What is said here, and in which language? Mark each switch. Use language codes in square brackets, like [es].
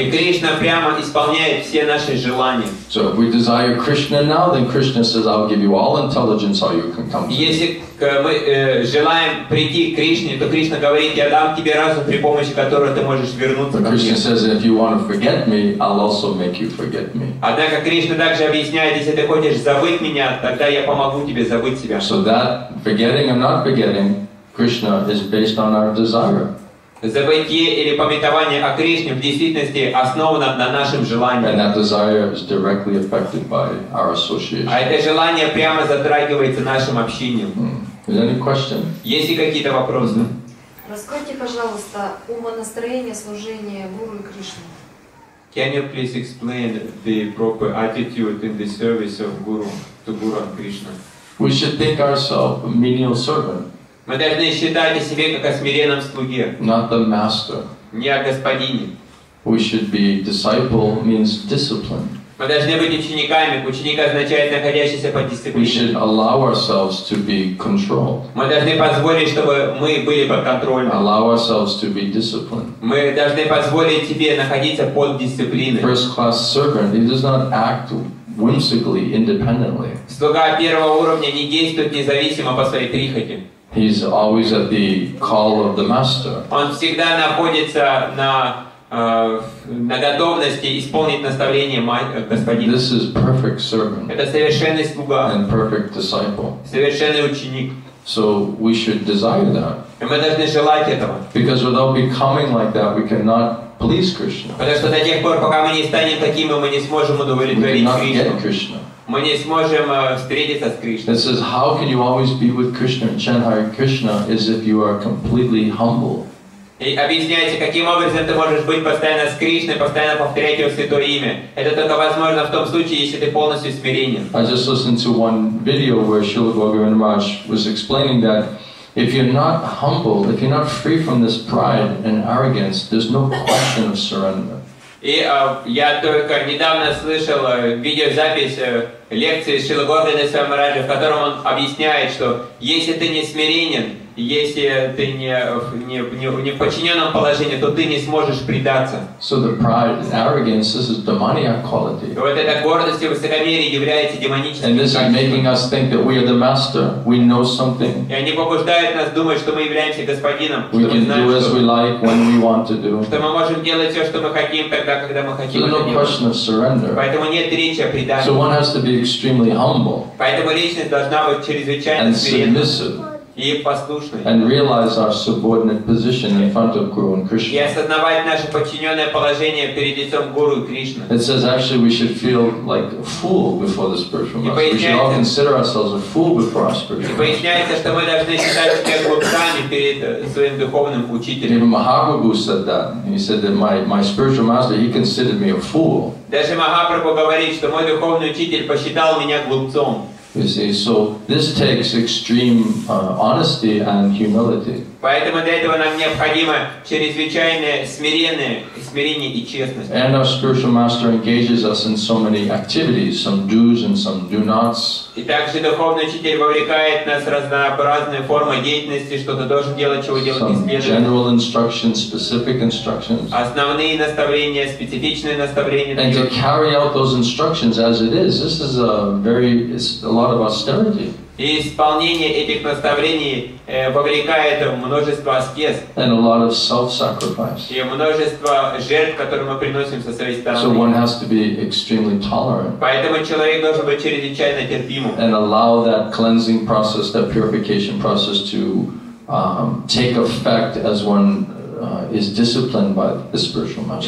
[ru] И Кришна прямо исполняет все наши желания. [en] So if we desire Krishna now, then Krishna says, I'll give you all intelligence, all you can come to. [ru] Если мы желаем прийти к Кришне, то Кришна говорит, я дам тебе разум, при помощи которого ты можешь вернуться ко мне. [en] Krishna says, if you want to forget me, I'll also make you forget me. [ru] Однако Кришна также объясняет, если ты хочешь забыть меня, тогда я помогу тебе забыть себя. [en] So that forgetting and not forgetting, Krishna is based on our desire. [ru] Забытие или памятование о Кришне в действительности основано на нашем желании. [en] And that desire is directly affected by our association. [ru] А это желание прямо затрагивается нашим общением. [en] Is there any question? [ru] Есть ли какие-то вопросы? Расскажите, пожалуйста, умонастроение служения Гуру и Кришне. [en] Can you please explain the proper attitude in the service of Guru to Guru and Krishna? We should think ourselves a menial servant. [ru] Мы должны считать о себе как о смиренном слуге. [en] Not the master. [ru] Не о господине. [en] We should be disciple means discipline. [ru] Мы должны быть учениками. Ученик означает находящийся под дисциплиной. [en] We should allow ourselves to be controlled. [ru] Мы должны позволить, чтобы мы были под контролем. [en] Allow ourselves to be disciplined. [ru] Мы должны позволить себе находиться под дисциплиной. [en] First class servant, he does not act whimsically, independently. [ru] Слуга первого уровня не действует независимо по своей прихоти. [en] He's always at the call of the master. [ru] Он всегда находится на готовности исполнить наставление господина. [en] This is perfect servant. [ru] Это совершенный слуга. [en] And perfect disciple. [ru] Совершенный ученик. [en] So we should desire that. [ru] И мы должны желать этого. [en] Because without becoming like that, we cannot please Krishna. [ru] Потому что до тех пор, пока мы не станем такими, мы не сможем удовлетворить Кришну. Мы не сможем встретиться с Кришной. [en] It says, how can you always be with Krishna and chant Hare Krishna as if you are completely humble? [ru] И объясняйте, каким образом ты можешь быть постоянно с Кришной, постоянно повторять Его Святое Имя. Это только возможно в том случае, если ты полностью смиренен. [en] I just listened to one video where Srila Gaugavan Maharaj was explaining that if you're not humble, if you're not free from this pride and arrogance, there's no question of surrender. [ru] И я только недавно слышал видеозапись лекции Шрилы Гаугавана Махараджа, в котором он объясняет, что если ты не смиренен, если ты не в подчиненном положении, то ты не сможешь предаться. [en] So the pride and arrогance, this is demoniac quality. [ru] Вот эта гордость и высокомерие является демоническим качеством. [en] And this is making us think that we are the master, we know something. [ru] И они побуждают нас думать, что мы являемся господином, [en] we can do as we like when we want to do. [ru] Что мы можем делать все, что мы хотим, тогда, когда мы хотим. [en] There's no question of surrender. [ru] Поэтому нет речи о предании. [en] So one has to be extremely humble. [ru] Поэтому личность должна быть чрезвычайно смиренной. [en] And realize our subordinate position in front of Guru and Krishna. [ru] И осознавать наше подчиненное положение перед лицом Гуру и Кришны. [en] It says actually we should feel like a fool before the spiritual master. We should all consider ourselves a fool before our spiritual master. [ru] И поясняется, что мы должны считать себя глупцами перед своим духовным учителем. [en] Even Mahaprabhu said that. He said that my spiritual master, he considered me a fool. [ru] Даже Махапрабху говорит, что мой духовный учитель посчитал меня глупцом. [en] You see, so this takes extreme honesty and humility. [ru] Поэтому для этого нам необходимо чрезвычайное смирение и честность. [en] And our spiritual master engages us in so many activities, some do's and some do-nots. [ru] И также духовный учитель вовлекает нас в разнообразные формы деятельности, что ты должен делать, чего делать не следует. [en] Some general instructions, specific instructions. [ru] Основные наставления, специфичные наставления. [en] And to carry out those instructions as it is, this is a lot of austerity. [ru] И исполнение этих наставлений вовлекает множество аскез. [en] And a lot of self-sacrifice. [ru] И множество жертв, которые мы приносим со своей стороны. [en] So one has to be extremely tolerant. [ru] Поэтому человек должен быть чрезвычайно терпимым. [en] And allow that cleansing process, that purification process to take effect as one is disciplined by the spiritual master.